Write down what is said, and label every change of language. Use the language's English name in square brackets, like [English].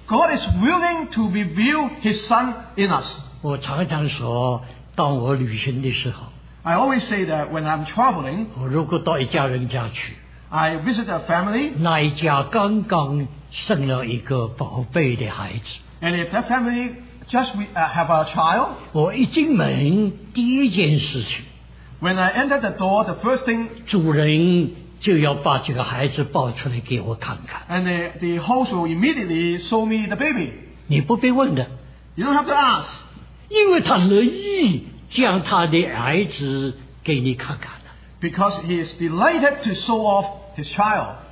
[English] God is willing to reveal His Son in us. [Chinese] 我常常说，当我旅行的时候， [English] I always say that when I'm traveling, [Chinese] 我如果到一家人家去， [English] I visit a family, [Chinese] 那一家刚刚生了一个宝贝的孩子， [English] and if that family just have a child, [Chinese] 我一进门第一件事情， [English] when I enter the door, the first thing, [Chinese] 主人就要把这个孩子抱出来给我看看， [English] and the host will immediately show me the baby. [Chinese] 你不必问的， [English] you don't have to ask, [Chinese] 因为他乐意 将他的孩子给你看看了。 [English] Because he is delighted to show off his child.